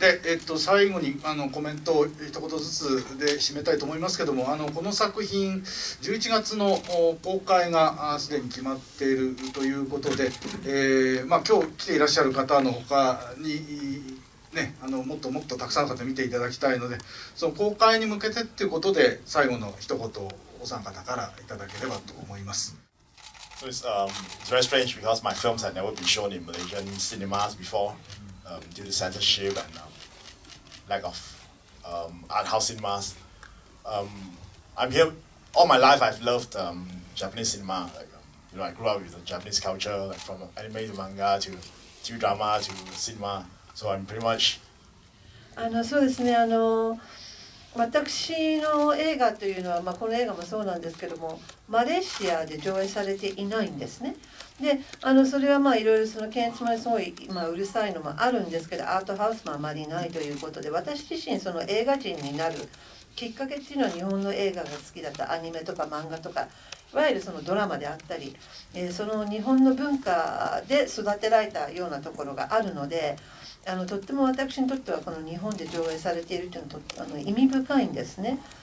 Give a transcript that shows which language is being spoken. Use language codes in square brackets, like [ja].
[ja] で、最後にコメントを一言ずつで締めたいと思いますけども、この作品11月の公開がすでに決まっているということで、まあ、今日来ていらっしゃる方の他にね、あのもっともっとたくさんの方に見ていただきたいので、その公開に向けてっていうことで最後の一言をお三方からいただければと思います。 [en] So it's, it's very strange because my films had never been shown in Malaysian cinemas before, due to censorship and lack of art house cinemas. I'm here all my life. I've loved Japanese cinema. Like, you know, I grew up with the Japanese culture, like from anime to manga to TV drama to cinema. So I'm pretty much. So this is a. [ja] 私の映画というのは、まあ、この映画もそうなんですけども、マレーシアで上映されていないんですね。で、それはまあいろいろその検閲もすごい、まあ、うるさいのもあるんですけど、アートハウスもあまりないということで、私自身その映画人になるきっかけっていうのは日本の映画が好きだった、アニメとか漫画とか、いわゆるそのドラマであったり、その日本の文化で育てられたようなところがあるので、とっても私にとってはこの日本で上映されているというのはとっ意味深いんですね。